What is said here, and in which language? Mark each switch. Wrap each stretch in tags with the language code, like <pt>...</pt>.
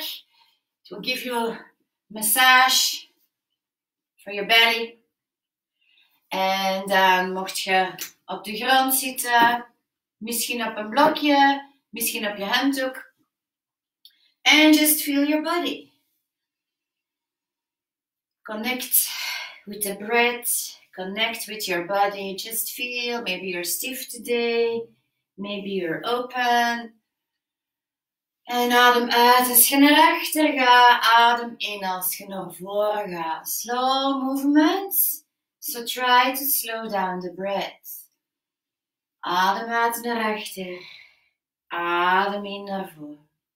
<en>It will give you a massage for your belly.</en> <nl>En dan mocht je op de grond zitten. Misschien op een blokje. Misschien op je handdoek.</nl> <en>And just feel your body. Connect. With the breath, connect with your body. Just feel, maybe you're stiff today, maybe you're open.</en> <nl>En adem uit als je naar achter gaat, adem in als je naar voren gaat.</nl> <en>Slow movements, so try to slow down the breath.</en> <nl>Adem uit naar achter, adem in naar voren.</nl>